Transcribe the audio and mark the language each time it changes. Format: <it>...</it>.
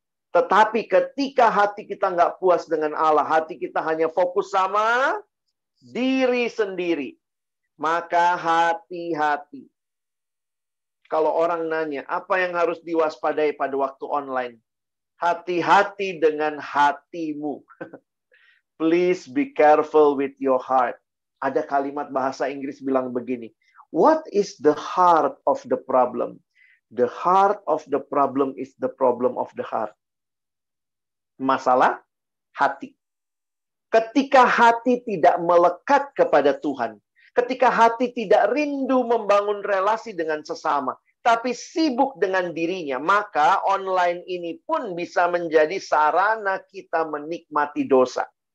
<id>Tetapi ketika hati kita nggak puas dengan Allah, hati kita hanya fokus sama diri sendiri. Maka hati-hati. Kalau orang nanya, apa yang harus diwaspadai pada waktu online? Hati-hati dengan hatimu.</id> <en>Please be careful with your heart.</en> <id>Ada kalimat bahasa Inggris bilang begini.</id> <en>What is the heart of the problem? The heart of the problem is the problem of the heart.</en> <id>Masalah hati. Ketika hati tidak melekat kepada Tuhan, ketika hati tidak rindu membangun relasi dengan sesama, tapi sibuk dengan dirinya, maka online ini pun bisa menjadi sarana kita menikmati dosa.</id>